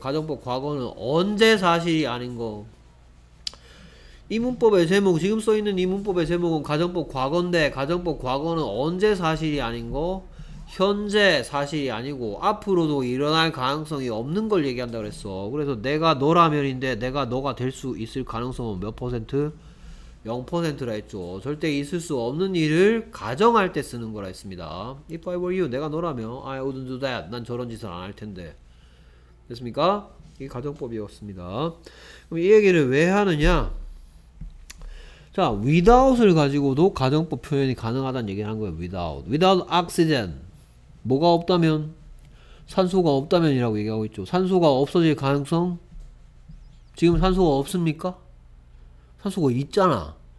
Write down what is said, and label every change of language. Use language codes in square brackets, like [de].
[ko] 가정법 과거는 언제 사실이 아닌 거. 이 문법의 제목, 지금 써 있는 이 문법의 제목은 가정법 과거인데, 가정법 과거는 언제 사실이 아닌 거? 현재 사실이 아니고 앞으로도 일어날 가능성이 없는 걸 얘기한다 그랬어. 그래서 내가 너라면인데 내가 너가 될수 있을 가능성은 몇 퍼센트? 0%라 했죠. 절대 있을 수 없는 일을 가정할 때 쓰는 거라 했습니다. [en] If I were you, [ko] 내가 너라면 [en] I wouldn't do that. [ko] 난 저런 짓을 안할 텐데. 됐습니까? 이 가정법이었습니다. 그럼 이 얘기를 왜 하느냐? 자, without을 가지고도 가정법 표현이 가능하다는 얘기를 한 거예요. Without. [en] Without oxygen. [ko] 뭐가 없다면? 산소가 없다면이라고 얘기하고 있죠. 산소가 없어질 가능성? 지금 산소가 없습니까? 산소가 있잖아.